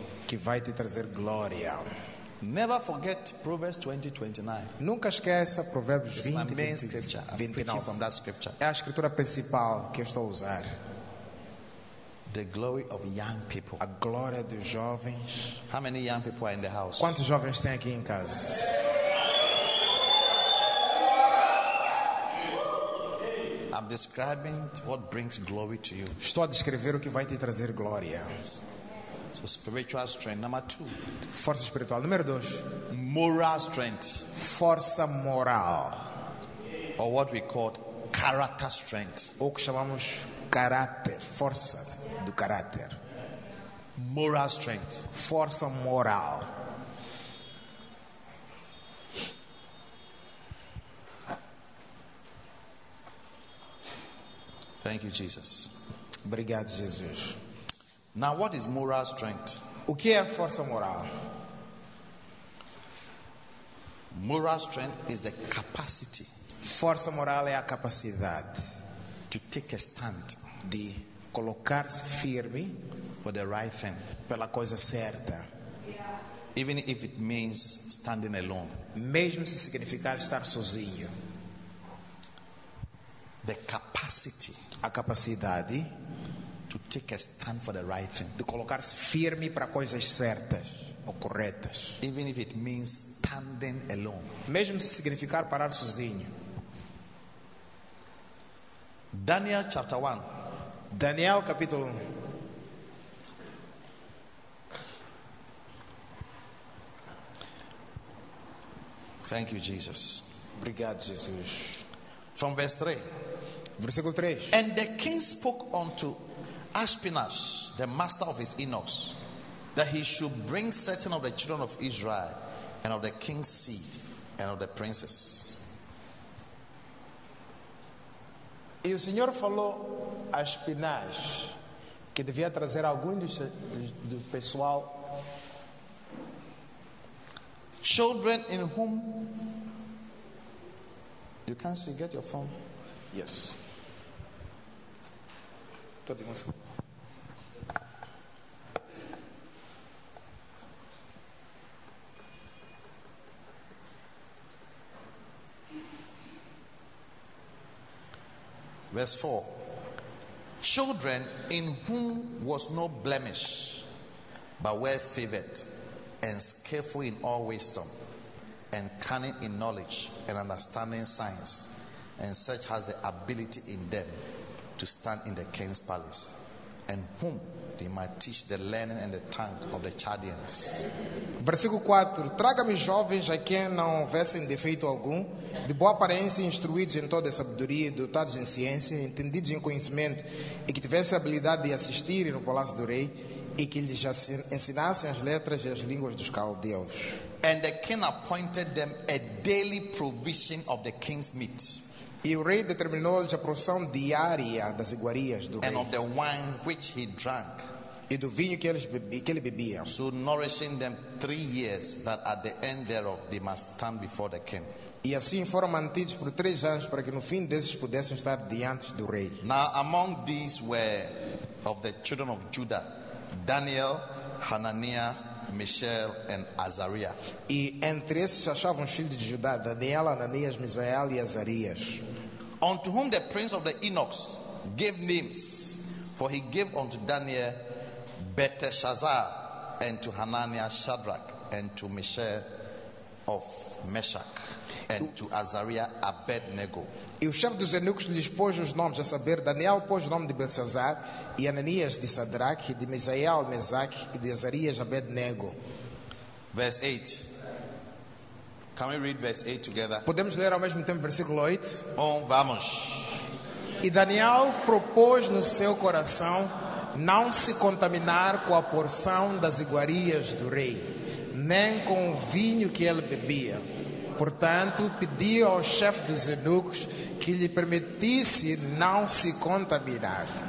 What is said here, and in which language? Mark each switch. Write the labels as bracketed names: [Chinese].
[Portuguese] Que vai te trazer glória. [English] Never forget Proverbs 20:29. [Portuguese] Nunca esqueça Provérbios [English] 20:29. From that scripture. [Portuguese] É a escritura principal que eu estou a usar. [English] The glory of young people. [Portuguese] A glória dos jovens. [English] How many young people are in the house? [Portuguese] Quantos jovens tem aqui em casa? [English] I'm describing what brings glory to you. [Portuguese] Estou a descrever o que vai te trazer glória. [English] So spiritual strength number two. [Portuguese] Força espiritual número 2. [English] Moral strength. [Portuguese] Força moral. [English] Or what we call character strength. [Portuguese] O que chamamos caráter, força do caráter. [English] Moral strength. [Portuguese] Força moral. [English] Thank you, Jesus. [Portuguese] Obrigado, Jesus. [English] Now, what is moral strength? [Portuguese] O que é força moral? [English] Moral strength is the capacity. [Portuguese] Força moral é a capacidade [English] to take a stand, [Portuguese] de colocar-se firme [English] for the right thing, [Portuguese] pela coisa certa, [English] even if it means standing alone. [Portuguese] Mesmo se significar estar sozinho. [English] The capacity, [Portuguese] a capacidade [English] to take a stand for the right thing, [Portuguese] de colocar-se firme para coisas certas ou corretas, [English] even if it means standing alone. [Portuguese] Mesmo se significar parar sozinho. [English] Daniel chapter 1. [Portuguese] Daniel capítulo 1. [English] Thank you, Jesus. [Portuguese] Obrigado, Jesus. [English] From verse 3. [Portuguese] Versículo 3. [English] And the king spoke unto Ashpenaz, the master of his eunuchs, that he should bring certain of the children of Israel, and of the king's seed, and of the princes. [Portuguese] E o Senhor falou a Ashpenaz que devia trazer algum do pessoal. [English] Children in whom you can see, get your phone. Yes. Verse 4. Children in whom was no blemish, but were favored, and skillful in all wisdom, and cunning in knowledge, and understanding science, and such has the ability in them to stand in the king's palace, and whom they might teach the learning and the tongue of the Chaldeans. [Portuguese] Versículo 4. Traga-me jovens a quem não houvessem defeito algum, de boa aparência, instruídos em toda a sabedoria, dotados em ciência, entendidos em conhecimento, e que tivessem a habilidade de assistir no palácio do rei, e que lhes ensinassem as letras e as línguas dos caldeus. [English] And the king appointed them a daily provision of the king's meat. [Portuguese] E o rei determinou-lhes a porção diária das iguarias do rei. [English] And of the wine which he drank. [Portuguese] E do vinho que ele bebia. [English] So nourishing them 3 years, that at the end thereof they must stand before the king. [Portuguese] E assim foram mantidos por 3 anos, para que no fim desses pudessem estar diante do rei. [English] Now among these were of the children of Judah, Daniel, Hananiah, Mishael and Azariah. [Portuguese] E entre esses achavam os filhos de Judá, Daniel, Ananias, Misael e Azarias. [English] Unto whom the prince of the Enochs gave names, for he gave unto Daniel Belteshazzar, and to Hananiah Shadrach, and to Mishael of Meshach, and to Azariah Abednego. [Portuguese] E o chefe dos eunucos lhes pôs os nomes, a saber, Daniel pôs o nome de Belsazar, e Ananias de Sadraque, de Misael, Mesaque, e de Azarias, Abednego. [English] Verse 8. Can we read verse 8 together? [Portuguese] Podemos ler ao mesmo tempo versículo 8? Bom, vamos. E Daniel propôs no seu coração não se contaminar com a porção das iguarias do rei, nem com o vinho que ele bebia. Portanto, pediu ao chefe dos eunucos que lhe permitisse não se contaminar.